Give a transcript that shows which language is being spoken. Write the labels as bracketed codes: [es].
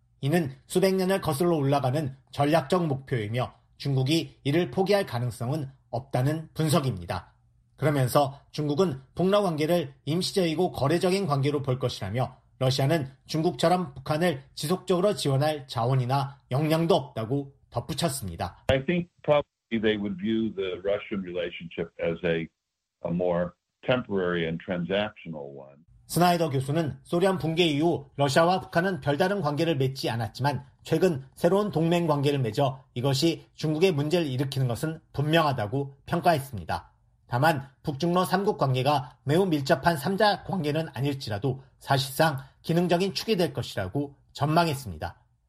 [ko] 이는 수백 년을 거슬러 올라가는 전략적 목표이며 중국이 이를 포기할 가능성은 없다는 분석입니다. 그러면서 중국은 북러 관계를 임시적이고 거래적인 관계로 볼 것이라며 러시아는 중국처럼 북한을 지속적으로 지원할 자원이나 역량도 없다고 덧붙였습니다. [en] I think probably they would view the Russian relationship as a more temporary and transactional one. [ko] 스나이더 교수는 소련 붕괴 이후 러시아와 북한은 별다른 관계를 맺지 않았지만 최근 새로운 동맹 관계를 맺어 이것이 중국의 문제를 일으키는 것은 분명하다고 평가했습니다. 다만 북중러 3국 관계가 매우 밀접한 3자 관계는 아닐지라도 사실상 기능적인 축이 될 것이라고 전망했습니다.